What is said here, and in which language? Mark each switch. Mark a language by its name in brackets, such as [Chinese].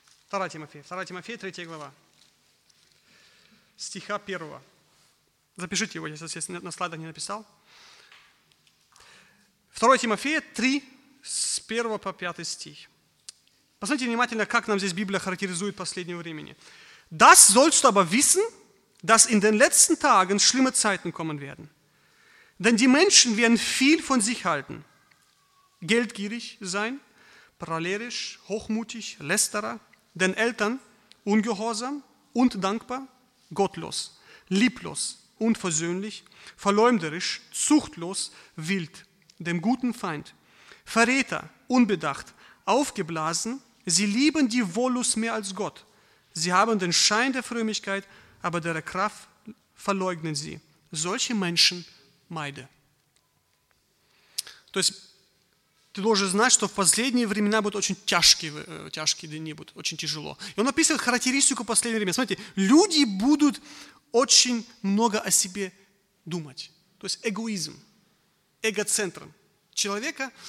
[Russian] 2 Тимофея, 2 Тимофея, 3 глава, стиха 1. Запишите его, я сейчас на слайдах не написал. 2 Тимофея, 3, с 1 по 5 стих. Посмотрите внимательно, как нам здесь Библия характеризует последнее время. [German] «Das sollst du aber wissen, dass in den letzten Tagen schlimme Zeiten kommen werden. Denn die Menschen werden viel von sich halten, geldgierig sein, prahlerisch, hochmutig, lästerer, den Eltern ungehorsam, undankbar, gottlos, lieblos, unversöhnlich, verleumderisch, zuchtlos, wild, dem guten Feind, Verräter, unbedacht, aufgeblasen, sie lieben die Wollust mehr als Gott. Sie haben den Schein der Frömmigkeit, aber deren Kraft verleugnen sie. Solche Menschen meide. [Russian] Ты должен знать, что в последние времена будут очень тяжкие дни, будут очень тяжело. И он описывает характеристику последнего времени. Смотрите, люди будут очень много о себе думать. То есть эгоизм, эгоцентром человека.